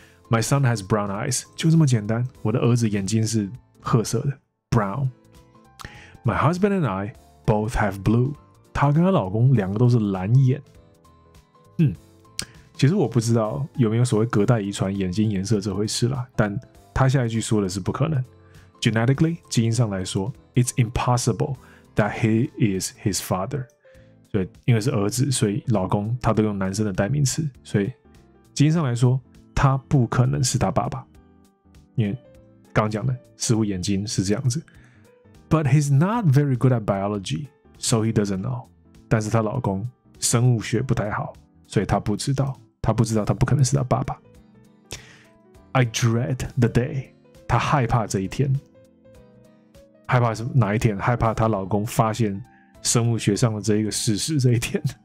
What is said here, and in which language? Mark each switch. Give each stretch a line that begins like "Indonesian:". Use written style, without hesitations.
English: My son has brown eyes，
Chinese: 就这么简单。我的儿子眼睛是褐色的 ，brown。
English: My husband and I both have blue，
Chinese: 他跟他老公两个都是蓝眼。其实我不知道有没有所谓隔代遗传眼睛颜色这回事啦，但他下一句说的是不可能。
English: Genetically，
Chinese: 基因上来说
English: ，it's impossible that he is his father。
Chinese: 所以因为是儿子，所以老公他都用男生的代名词，所以基因上来说，他不可能是他爸爸。因为刚讲的，似乎眼睛是这样子。
English: But he's not very good at biology, so he doesn't know。
Chinese: 但是他老公生物学不太好。所以他不知道，他不知道，他不可能是他爸爸。
English: I dread the day，
Chinese: 他害怕这一天，害怕什么？哪一天？害怕他老公发现生物学上的这一个事实这一天。